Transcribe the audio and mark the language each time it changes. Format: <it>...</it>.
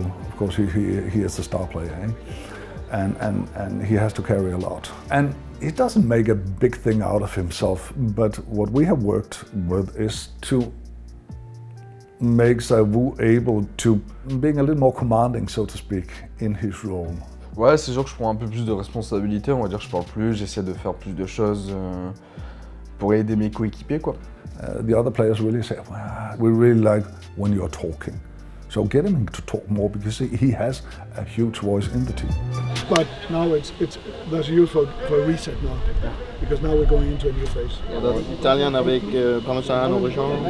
<en>Of course, he is the star player, eh? And he has to carry a lot. And he doesn't make a big thing out of himself, but what we have worked with is to make ZywOo able to being a little more commanding, so to speak, in his role.</en> <fr>Ouais, c'est sûr que je prends un peu plus de responsabilité, on va dire, je parle plus, j'essaie de faire plus de choses pour aider mes coéquipiers, quoi.</fr> <en>The other players really say, well, we really like when you're talking. So get him to talk more because he has a huge voice in the team. But now it's there's a year for a reset now. Because now we're going into a new phase. Yeah, that's Italian with Parmesan or Reggiano.</en>